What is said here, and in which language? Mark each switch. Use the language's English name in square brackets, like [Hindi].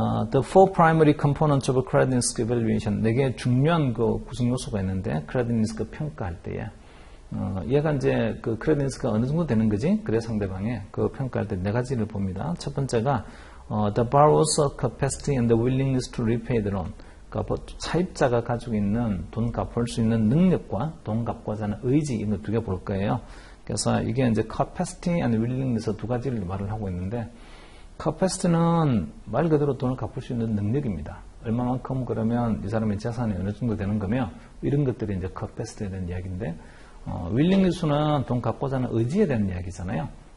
[English] The four primary components of a credit risk evaluation. [Korean] 네 개의 중요한 그 구성 요소가 있는데, credit risk 평가할 때에. 얘가 이제 그 credit risk가 어느 정도 되는 거지? 그래, 상대방의. 그 평가할 때 네 가지를 봅니다. 첫 번째가, [English] the borrower's capacity and the willingness to repay the loan. [Korean] 그러니까 차입자가 가지고 있는 돈 갚을 수 있는 능력과 돈 갚고자 하는 의지, 이거 두 개 볼 거예요. 그래서 이게 이제 capacity and willingness 두 가지를 말을 하고 있는데, capacity는 말 그대로 돈을 갚을 수 있는 능력입니다. 얼마만큼 그러면 이 사람의 재산이 어느 정도 되는 거며, 이런 것들이 이제 capacity에 대한 이야기인데, willingness는 돈 갚고자 하는 의지에 대한 이야기잖아요.